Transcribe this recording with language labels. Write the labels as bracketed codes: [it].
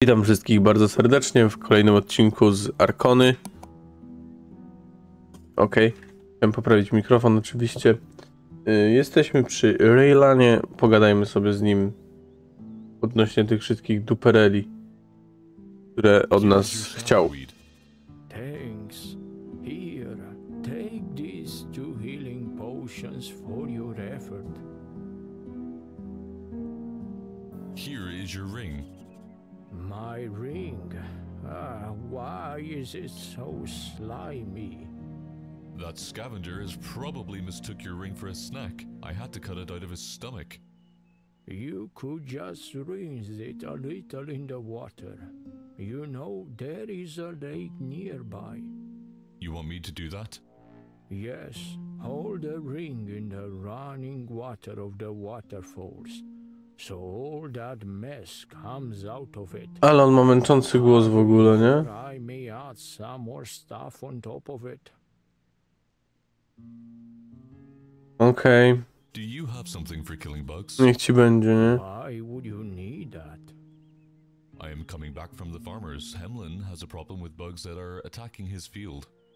[pl] Witam wszystkich bardzo serdecznie w kolejnym odcinku z Arkony. Okej, chciałem poprawić mikrofon oczywiście. Jesteśmy przy Raylanie, pogadajmy sobie z nim odnośnie tych wszystkich dupereli, które od nas chciał. [en] Thanks. Here, take these two healing potions for your effort. Here is your ring. My ring? Why is it so slimy? That scavenger has probably mistook your ring for a snack. I had to cut it out of his stomach. You could just rinse it a little in the water. You know, there is a lake nearby. You want me to do that? Yes, hold the ring in the running water of the waterfalls. So all that mess comes out of it. [pl] Ale on ma męczący głos w ogóle, nie? [en] I may add some more stuff on top of it. [pl] Okej. [en] Do you have something for killing bugs? [pl] Niech ci będzie, nie? [en] Why would you need that? I am coming back from the farmers. Hemlin has a problem with bugs that are attacking his field.